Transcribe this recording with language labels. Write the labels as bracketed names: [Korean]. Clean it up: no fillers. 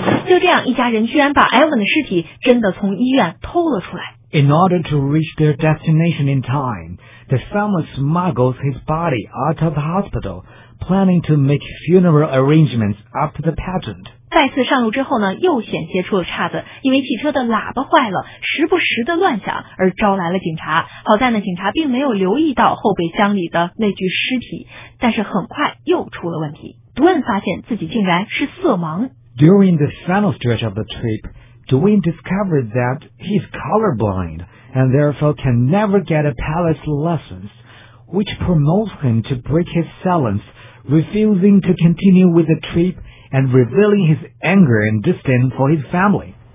[Chinese] 就这样，一家人居然把 Evan 的尸体真的从医院偷了出来。 [English] In order to reach their destination in time, the family smuggles his body out of the hospital, planning to make funeral arrangements after the pageant. [Chinese] 再次上路之后呢，又险些出了岔子，因为汽车的喇叭坏了，时不时的乱响，而招来了警察。好在呢，警察并没有留意到后备箱里的那具尸体，但是很快又出了问题。 Dwayne 发现自己竟然是色盲。 [English] During the final stretch of the trip, Dwayne discovered that he's colorblind and therefore can never get a palace license, which promotes him to break his silence. Refusing to continue with the trip and revealing his anger and disdain for his family.